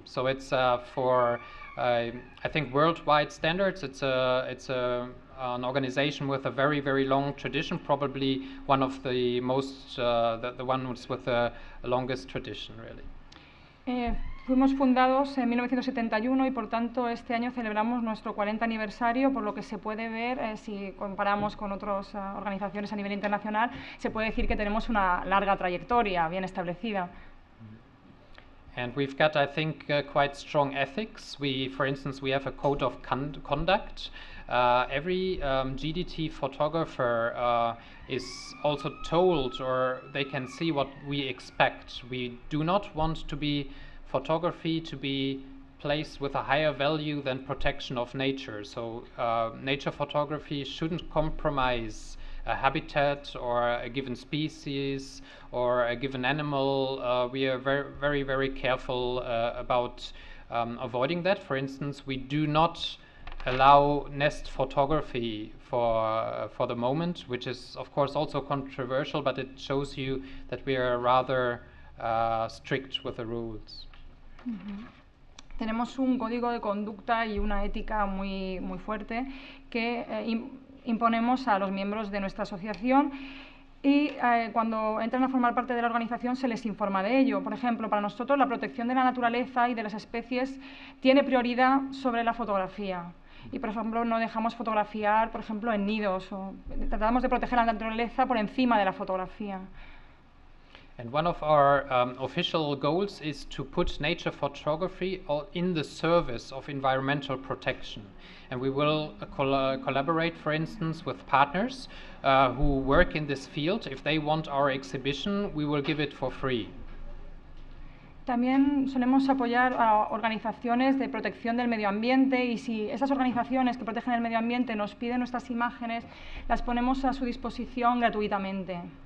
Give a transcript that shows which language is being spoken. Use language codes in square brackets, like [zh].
[en] So it's I think worldwide standards, it's an organization with a very, very long tradition, probably one of the most, the one with the longest tradition, really. [es] Fuimos fundados en 1971 y, por tanto, este año celebramos nuestro 40 aniversario, por lo que se puede ver, si comparamos con otras organizaciones a nivel internacional, se puede decir que tenemos una larga trayectoria bien establecida. [en] And we've got, I think, quite strong ethics. For instance, we have a code of conduct. Every GDT photographer is also told, or they can see what we expect. We do not want photography to be placed with a higher value than protection of nature. So nature photography shouldn't compromise a habitat or a given species or a given animal. We are very, very, very careful about avoiding that. For instance, we do not allow nest photography for the moment, which is of course also controversial, but it shows you that we are rather strict with the rules. [es] Tenemos un código de conducta y una ética muy, muy fuerte que imponemos a los miembros de nuestra asociación y cuando entran a formar parte de la organización se les informa de ello. Por ejemplo, para nosotros la protección de la naturaleza y de las especies tiene prioridad sobre la fotografía. Y, por ejemplo, no dejamos fotografiar, por ejemplo, en nidos. O tratamos de proteger la naturaleza por encima de la fotografía. [en] And one of our official goals is to put nature photography in the service of environmental protection. And we will collaborate, for instance, with partners who work in this field. If they want our exhibition, we will give it for free. [es] También solemos apoyar a organizaciones de protección del medio ambiente y si esas organizaciones que protegen el medio ambiente nos piden nuestras imágenes, las ponemos a su disposición gratuitamente.